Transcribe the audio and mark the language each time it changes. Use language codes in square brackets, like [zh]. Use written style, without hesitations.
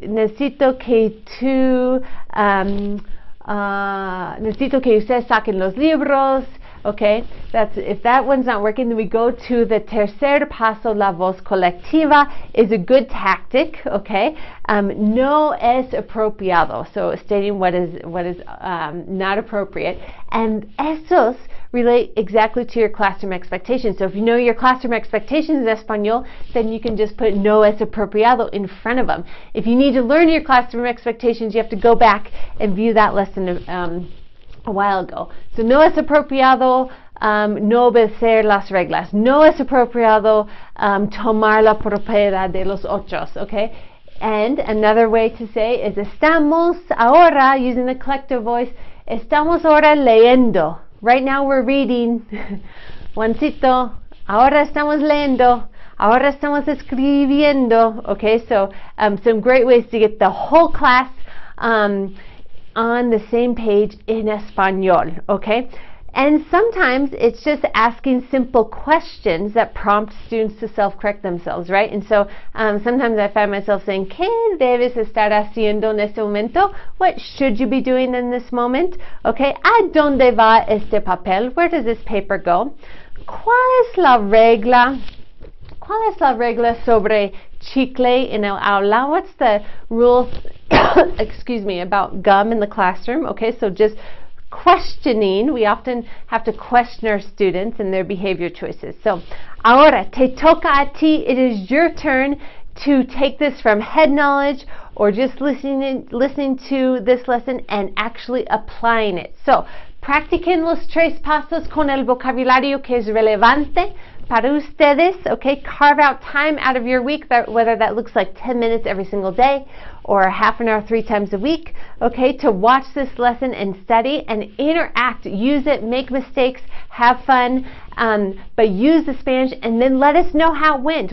[es] Necesito que tú, necesito que ustedes saquen los libros. [en] Okay, that's, if that one's not working, then we go to the [es] tercer paso, la voz colectiva, [en] is a good tactic, okay? [es] No es apropiado, [en] so stating what is not appropriate. And esos relate exactly to your classroom expectations. So if you know your classroom expectations in Espanol, then you can just put [es] no es apropiado [en] in front of them. If you need to learn your classroom expectations, you have to go back and view that lesson a while ago. [es] So no es apropiado no obedecer las reglas. No es apropiado tomar la propiedad de los otros, okay? [en] And another way to say is estamos ahora, using the collective voice, [es] estamos ahora leyendo. [en] Right now we're reading. Juancito, [es] ahora estamos leyendo. Ahora estamos escribiendo. [en] Okay, so some great ways to get the whole class on the same page in Espanol, okay? And sometimes it's just asking simple questions that prompt students to self-correct themselves, right? And so sometimes I find myself saying, [es] ¿Qué debes estar haciendo en este momento? [en] What should you be doing in this moment? Okay, [es] ¿A dónde va este papel? [en] Where does this paper go? [es] ¿Cuál es la regla? ¿Cuál es la regla sobre chicle en el aula? [en] What's the rule, excuse me, about gum in the classroom? Okay, so just questioning. We often have to question our students and their behavior choices. So, [es] ahora, te toca a ti. [en] It is your turn to take this from head knowledge or just listening to this lesson and actually applying it. [es] So, practiquen los tres pasos con el vocabulario que es relevante para ustedes, okay? [en] Carve out time out of your week, whether that looks like 10 minutes every single day or half an hour three times a week, okay, to watch this lesson and study and interact, use it, make mistakes, have fun, but use the Spanish and then let us know how it went.